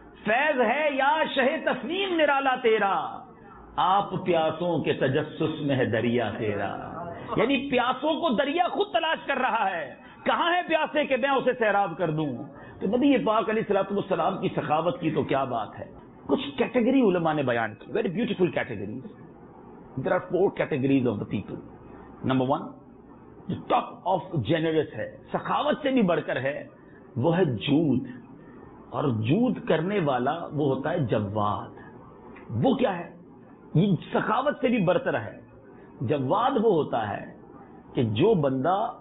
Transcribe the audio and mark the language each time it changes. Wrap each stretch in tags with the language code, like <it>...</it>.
<ur>فیض ہے یا شہ تسنیم نرالا تیرا, آپ پیاسوں کے تجسس میں ہے دریا تیرا. یعنی پیاسوں کو دریا خود تلاش کر رہا ہے, کہاں ہے پیاسے کہ میں اسے سیراب کر دوں. تو نبی پاک علیہ الصلوۃ والسلام کی سخاوت کی تو کیا بات ہے. کچھ کیٹیگری علماء نے بیان کی,</ur> <en>Very beautiful categories. There are four categories of the people.</en> <ur>Number one, جو</ur> <en>top of generous</en> <ur>ہے, سخاوت سے بھی بڑھ کر ہے, وہ ہے جود. اور جود کرنے والا وہ ہوتا ہے جواد. وہ کیا ہے, یہ سخاوت سے بھی برتر ہے. جواد وہ ہوتا ہے کہ جو بندہ</ur>